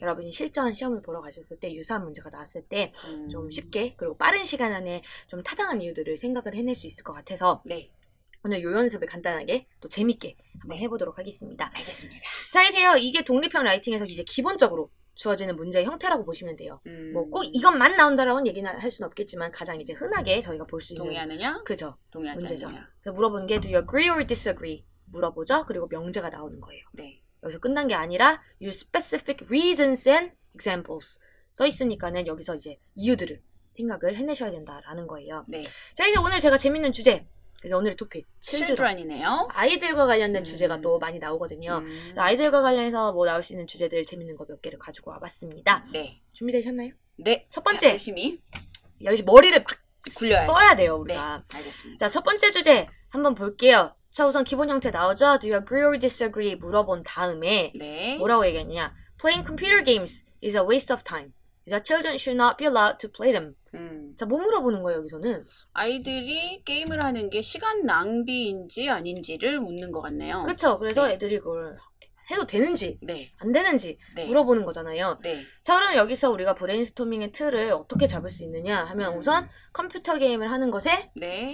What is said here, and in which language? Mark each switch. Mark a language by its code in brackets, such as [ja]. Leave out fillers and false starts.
[ko] 여러분이 실전 시험을 보러 가셨을 때 유사한 문제가 나왔을 때 좀 쉽게 그리고 빠른 시간 안에 좀 타당한 이유들을 생각을 해낼 수 있을 것 같아서 네. 오늘 요 연습을 간단하게 또 재밌게 한번 해보도록 하겠습니다. 알겠습니다. 자, 이제요. 이게 독립형 라이팅에서 이제 기본적으로 주어지는 문제의 형태라고 보시면 돼요. 뭐 꼭 이것만 나온다라고는 얘기는 할 수는 없겠지만 가장 이제 흔하게 저희가 볼 수 있는 동의하느냐? 그죠. 동의하지 문제죠. 않느냐? 그래서 물어보는 게 [en] Do you agree or disagree? [ko] 물어보죠. 그리고 명제가 나오는 거예요. 네. 여기서 끝난 게 아니라 [en] You specific reasons and examples [ko] 써 있으니까는 여기서 이제 이유들을 생각을 해내셔야 된다라는 거예요. 네. 자, 이제 오늘 제가 재밌는 주제 그래서 오늘의 토픽, 칠드런이네요. 아이들과 관련된 주제가 또 많이 나오거든요. 아이들과 관련해서 뭐 나올 수 있는 주제들 재밌는 거 몇 개를 가지고 와봤습니다. 네. 준비되셨나요? 네. 첫 번째. 자, 열심히. 여기서 머리를 막 굴려야 써야 돼요, 우리가. 네, 알겠습니다. 자, 첫 번째 주제 한번 볼게요. 자, 우선 기본 형태 나오죠? [en] Do you agree or disagree? [ko] 물어본 다음에 네. 뭐라고 얘기했냐? [en] Playing computer games is a waste of time. The children should not be allowed to play them. [ko] 자, 뭐 물어보는 거예요, 여기서는? 아이들이 게임을 하는 게 시간 낭비인지 아닌지를 묻는 것 같네요. 그렇죠. 그래서 네. 애들이 그걸 해도 되는지 네. 안 되는지 네. 물어보는 거잖아요. 네. 자, 그럼 여기서 우리가 브레인스토밍의 틀을 어떻게 잡을 수 있느냐 하면 우선 컴퓨터 게임을 하는 것의 네.